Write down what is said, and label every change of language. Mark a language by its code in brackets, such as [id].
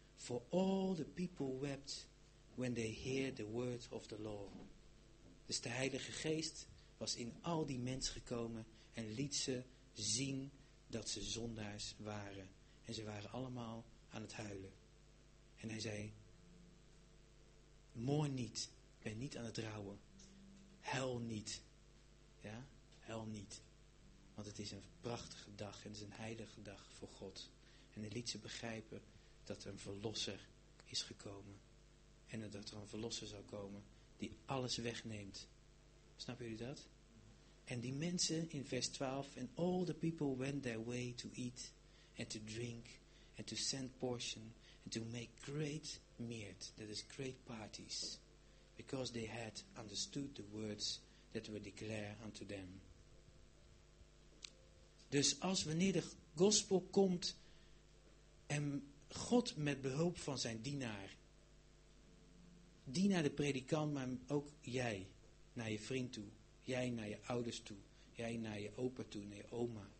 [en] For all the people wept when they heard the word of the Lord. [nl] Dus de Heilige Geest was in al die mensen gekomen en liet ze zien dat ze zondaars waren. En ze waren allemaal aan het huilen. En hij zei, mourn niet, ben niet aan het rouwen. Huil niet, ja, huil niet. Want het is een prachtige dag en het is een heilige dag voor God. En hij liet ze begrijpen dat er een verlosser is gekomen. En dat er een verlosser zou komen die alles wegneemt. Snappen jullie dat? En die mensen in vers 12. [en] And all the people went their way to eat and to drink and to send portion and to make great meat. That is great parties. Because they had understood the words that were declared unto them. [nl] Dus als wanneer de gospel komt en God met behulp van zijn dienaar. Dienaar de predikant, maar ook jij naar je vriend toe. Jij naar je ouders toe. Jij naar je opa toe, naar je oma.